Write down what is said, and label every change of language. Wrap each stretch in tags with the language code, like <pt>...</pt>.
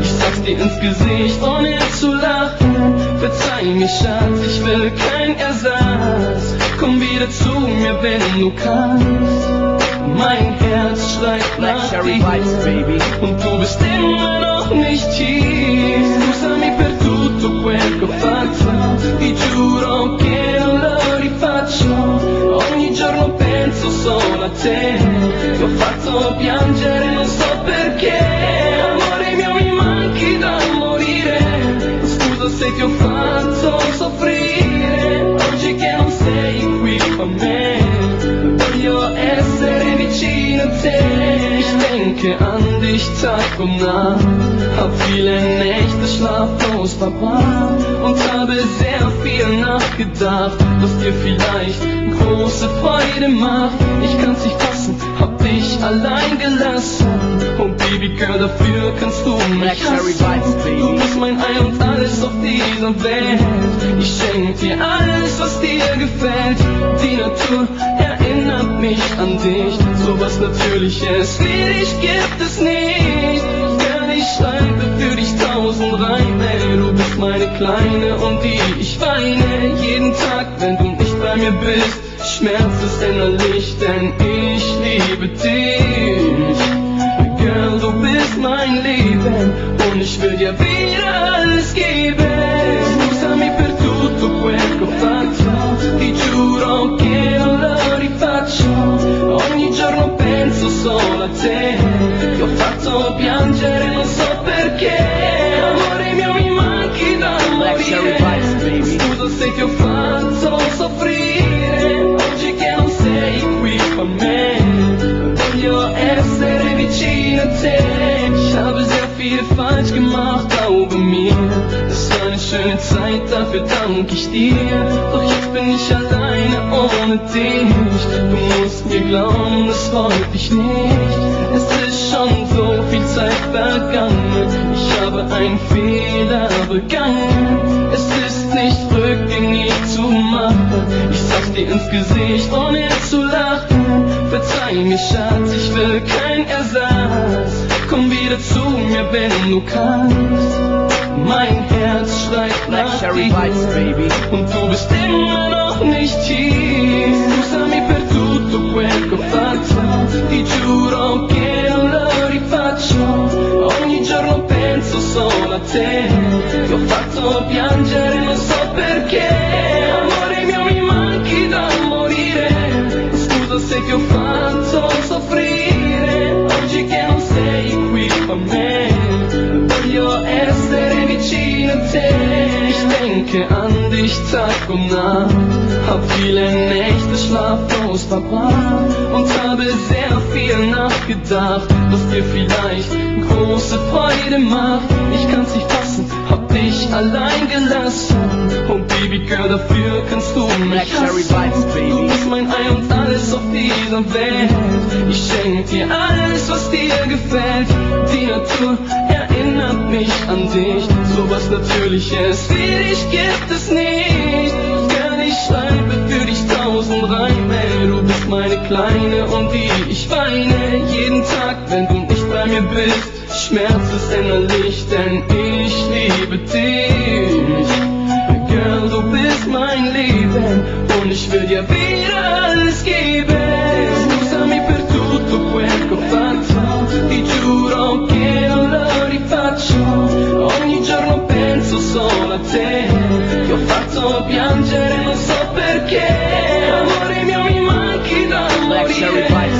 <de>Ich sag's dir ins Gesicht, ohne zu lachen. Verzeih mir, Schatz, ich will kein Ersatz. Komm wieder zu mir, wenn du kannst. Mein Herz schreit nach dir. Und du bist immer noch nicht hier.</de> <it>Scusami per tutto quel che ho fatto. Ti giuro che non lo rifaccio. Ogni giorno penso solo a te. Ti ho fatto piangere, non so perché. Amore mio, mi manchi da morire. Scusa se ti ho fatto soffrire. Oggi che non sei qui con me, voglio essere vicino a te.</it> <de>Ich denke an dich Tag und Nacht. Hab viele Nächte schlaflos verbracht. Und habe sehr viel nachgedacht, was dir vielleicht große Freude macht. Ich kann's nicht fassen, hab dich allein gelassen. Oh Baby Girl, dafür kannst du mich hassen. Du bist mein Ei und alles auf dieser Welt. Ich schenk dir alles, was dir gefällt. Die Natur erinnert mich an dich. So was Natürliches wie dich gibt es nicht. Girl, ich schreibe für dich tausend Reime. Du bist meine Kleine, um die ich weine. Jeden Tag, wenn du nicht bei mir bist, Schmerz ist innerlich, denn ich liebe dich. Girl, du bist mein Leben und ich will dir wieder alles geben.</de> <it>Scusami per tutto quel che ho fatto. Ti giuro che non lo rifaccio. Ogni giorno penso solo a te. Ti ho fatto piangere, non so perché. Amore mio, mi manchi da morire. Scusa se ti ho fatto soffrire. Oggi che non sei qui con me, voglio essere vicino a te.</it> <de>Ich habe sehr viel falsch gemacht, glaube mir. Das war eine schöne Zeit, dafür danke ich dir. Doch jetzt bin ich alleine ohne dich. Du musst mir glauben, das wollte ich nicht. Es ist schon so viel Zeit vergangen. Ich habe einen Fehler begangen. Es ist nicht rückgängig zu machen. Ich sag's dir ins Gesicht, ohne zu lachen. Verzeih mir, Schatz, ich will kein Ersatz. Komm wieder zu mir, wenn du kannst. Mein Herz schreit nach dir. Und du bist immer noch nicht hier.</de> <it>Scusami per tutto quel che ho fatto. Ti giuro che non lo rifaccio. Ogni giorno penso solo a te. Ti ho fatto piangere, non so perché. Amore mio, mi manchi da morire. Scusa se ti ho fatto soffrire. Oggi che non sei qui con me, voglio essere vicino a te.</it> <de>Ich denke an dich Tag und Nacht. Hab viele Nächte schlaflos verbracht. Und habe sehr viel nachgedacht, was dir vielleicht große Freude macht. Ich kann's nicht fassen, hab dich allein gelassen. Oh Baby Girl, dafür kannst du mich hassen. Du bist mein Ei und alles auf dieser Welt. Ich schenk dir alles, was dir gefällt. Die Natur erinnert mich an dich. So was Natürliches wie dich gibt es nicht. Girl, ich schreibe für dich tausend Reime. Du bist meine Kleine, um die ich weine. Jeden Tag, wenn du nicht bei mir bist, Schmerz ist innerlich, denn ich liebe dich. Girl, du bist mein Leben und ich will dir wieder alles geben.</de> <it>Scusami per tutto quel che ho fatto. Ti giuro che non lo rifaccio. Ogni giorno penso solo a te. Ti ho fatto piangere, non so perché. Amore mio, mi manchi da morire.</it>